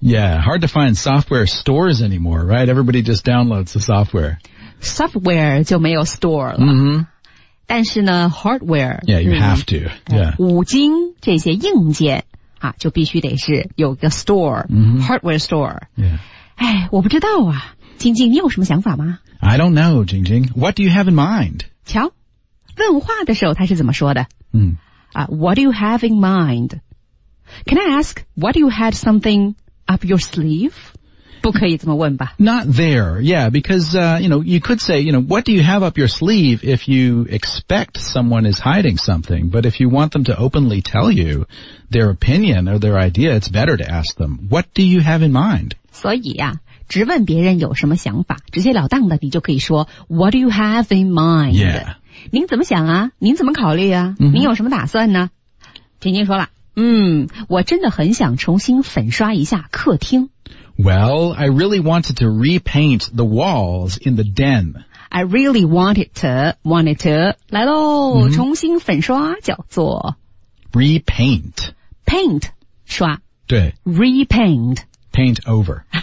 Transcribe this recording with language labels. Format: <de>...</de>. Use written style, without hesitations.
<en>Yeah, hard to find software stores anymore, right? Everybody just downloads the software.</en> <zh>Software 就没有 store 了、 mm-hmm. 但是呢 hardware</zh> <en>Yeah, you have to、yeah.</en> <zh>五金这些硬件、啊、就必须得是有个 store、 mm-hmm.</zh> <en>hardware store、 yeah.</en> <zh>哎，我不知道啊晶晶你有什么想法吗</zh> <en>I don't know, 晶晶 What do you have in mind?</en> <zh>瞧问话的时候他是怎么说的、 mm.</zh> <en>What do you have in mindCan I ask, what you had something up your sleeve?</en> <zh>不可以这么问吧。</zh> <en>Not there, yeah, because, you know, you could say, you know, what do you have up your sleeve if you expect someone is hiding something? But if you want them to openly tell you their opinion or their idea, it's better to ask them, what do you have in mind?</en> <zh>所以啊直问别人有什么想法直接了当的你就可以说</zh> <en>what do you have in mind? Yeah.</en> <zh>您怎么想啊您怎么考虑啊、 mm-hmm. 您有什么打算呢婷婷说了。嗯，我真的很想重新粉刷一下客厅。</zh> <en>Well, I really wanted to repaint the walls in the den. I really wanted to,</en> <zh>来咯、</zh> <en>mm-hmm.</en> <zh>重新粉刷叫做</zh> <en>Repaint. Paint, 刷。</en> <zh>对。</zh> <en>Repaint. Paint over.</en>